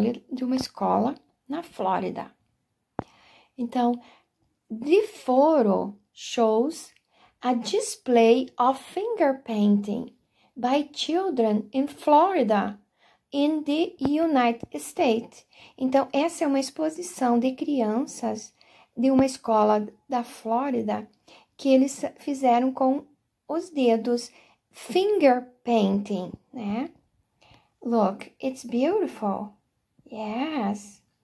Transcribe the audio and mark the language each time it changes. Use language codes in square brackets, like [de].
[pt] De uma escola na Flórida. Então, [en] the photo shows a display of finger painting by children in Florida in the United States. [pt] Então, essa é uma exposição de crianças de uma escola da Flórida que eles fizeram com os dedos. [en] Finger painting, [pt] né? [en] Look, it's beautiful. Yes.